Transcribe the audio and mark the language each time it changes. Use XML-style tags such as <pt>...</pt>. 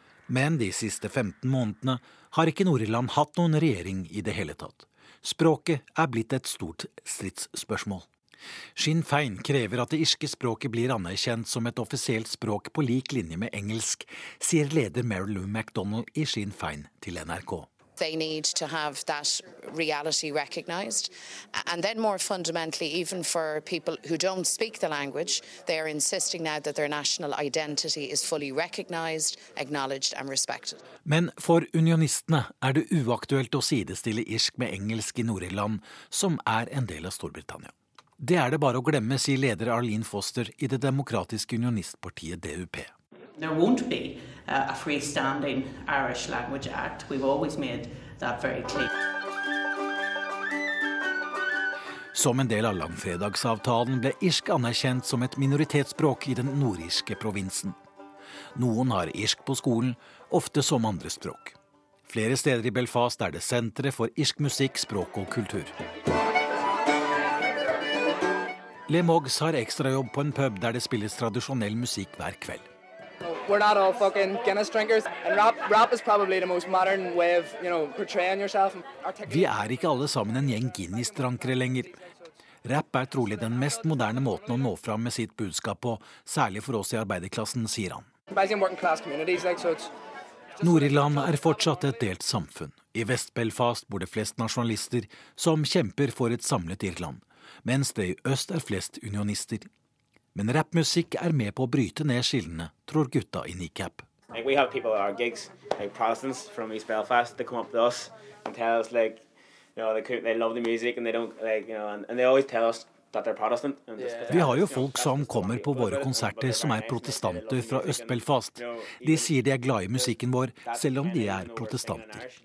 <no>Men de siste 15 månedene har ikke Nord-Irland hatt noen regjering i det hele tatt. Språket er blitt et stort stridsspørsmål. Sinn Féin krever at det irske språket blir anerkjent som et offisielt språk på lik linje med engelsk, sier leder Mary Lou MacDonald i Sinn Féin til NRK.</no> <en>They need to have that reality recognized. And then more fundamentally, even for people who don't speak the language, they are insisting now that their national identity is fully recognized, acknowledged and respected.</en> <no>Men for unionistene er det uaktuelt å sidestille irsk med engelsk i Nord-Irland, som er en del av Storbritannia. Det er det bare å glemme, sier leder Arlene Foster i det demokratiske unionistpartiet DUP.</no> <en>There won't be a freestanding Irish Language Act. We've always made that very clear.</en> <no>Som en del av langfredagsavtalen ble irsk anerkjent som et minoritetsspråk i den nordirske provinsen. Noen har irsk på skolen, ofte som andre språk. Flere steder i Belfast er det senteret for irsk musikk, språk og kultur. Le Moggs har ekstrajobb på en pub der det spilles tradisjonell musikk hver kveld.</no> <en>We're not all fucking Guinness drinkers, and rap is probably the most modern way of, you know, portraying yourself.</en> <no>Vi er ikke alle sammen en gjeng Guinness-drankere lenger. Rap er trolig den mest moderne måten å nå fram med sitt budskap på, særlig for oss i arbeiderklassen, sier han. Nord-Irland er fortsatt et delt samfunn. I Vest-Belfast bor det flest nasjonalister som kjemper for et samlet Irland, mens det i øst er flest unionister. Men rapmusikk er med på å bryte ned skillene, tror gutta i NICAP.</no> <en>We have people at our gigs, like Protestants from East Belfast, they come up to us and tell us, like, you know, they love the music and they don't, like, you know, and they always tell us that they're Protestant.</en> <no>Vi har jo folk som kommer på våre konserter som er protestanter fra Øst-Belfast. De sier de er glad i musikken vår, selv om de er protestanter.</no>